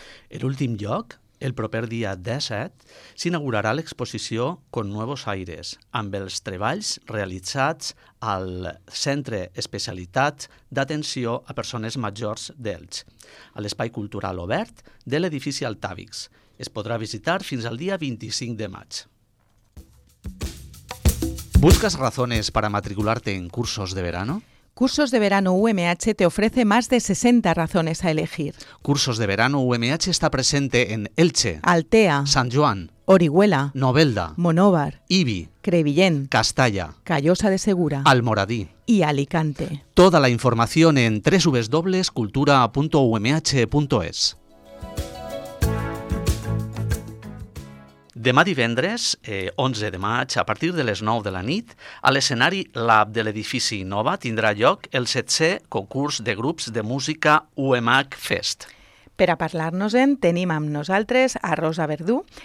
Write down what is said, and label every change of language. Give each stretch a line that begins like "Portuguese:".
Catalan: En últim lloc, el proper dia 17, s'inaugurarà l'exposició Con Nuevos Aires, amb els treballs realitzats al Centre Especialitat d'Atenció a Persones Majors d'Elx, a l'Espai Cultural Obert de l'edifici Altàvix. Es podrà visitar fins al dia 25 de maig.
Spanish: ¿Buscas razones para matricularte en cursos de verano? Cursos de verano UMH te ofrece más de 60 razones a elegir. Cursos de verano UMH está presente en Elche, Altea, San Joan, Orihuela, Novelda, Monóvar, Ibi, Crevillent, Castalla, Callosa de Segura, Almoradí y Alicante. Toda la información en www.cultura.umh.es.
Catalan: Demà divendres, 11 de maig, a partir de les 9 de la nit, a l'escenari Lab de l'edifici Nova tindrà lloc el 7è concurs de grups de música UMH Fest. Per a parlar-nos-en, tenim amb nosaltres a Rosa Verdú.